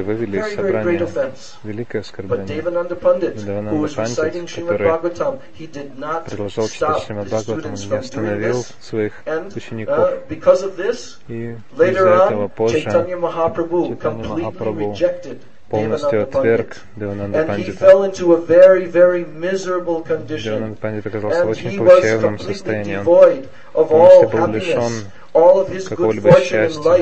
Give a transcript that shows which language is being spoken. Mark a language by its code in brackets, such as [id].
[en] Very, very great offense. But Devananda Pandit, who was reciting Srimad Bhagavatam, he did not stop his students from doing this. And because of this, later on, Chaitanya Mahaprabhu completely rejected [ru] полностью отверг Девананда Пандита. [en] And he fell into a very, very miserable condition. [ru] Девананда Пандита оказался в очень плачевном состоянии. Он полностью был лишен какого-либо счастья.